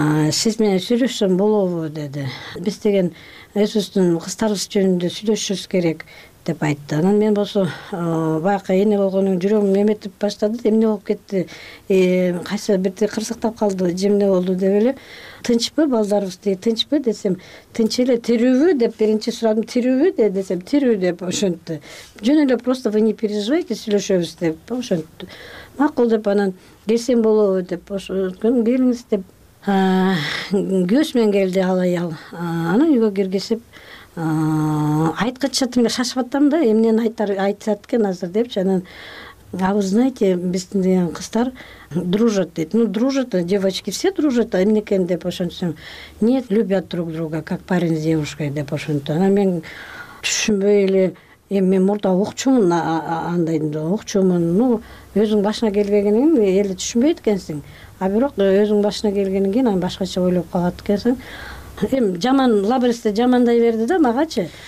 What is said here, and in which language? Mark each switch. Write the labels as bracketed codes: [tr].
[ky] Сиз менен сүйлөшсөм болобу деди. Биз деген өзүбүздүн кыздарыбыз жөнүндө сүйлөшүбүз керек деп айтты. Анан мен болсо баягы эне болгонун жүрөгүм эметип баштады. Эмне болуп кетти? Кайсы бирди кырсыктап калды же эмне болду деп эле тынчпы балдарыбызды тынчпы десем тынч эле тирүүбү деп биринчи сурадым тирүүбү де десем тирүү деп ошентти. Жөн эле [ru] просто вы не переживайте [ky] сүйлөшөбүз деп ошентти. Макул деп анан келсем болобу деп ошон келиңиз деп күйөөсү менен келди ал аял. Анан үйгө киргизип айткычча тиме шашып атам да эмнени айтышат экен азыр депчи. Анан [ru] а вы знаете [ky] биздин деген кыздар дружат дейт. [ru] Ну дружат девочки все дружат [ky] а эмне экен деп ошентсем [ru] нет любят друг друга как парень с девушкой деп ошентти. [ky] Анан мен түшүнбөй эле эми мен мурда окчумун андайды окчумун. Ну өзүң башына келбегенен эли түшүнбөйт экенсиң. А бирок өзүң башына келгенден кийин анан башкача ойлоп калат экенсиң. Эми жаман лабристи жамандай берди да магачы.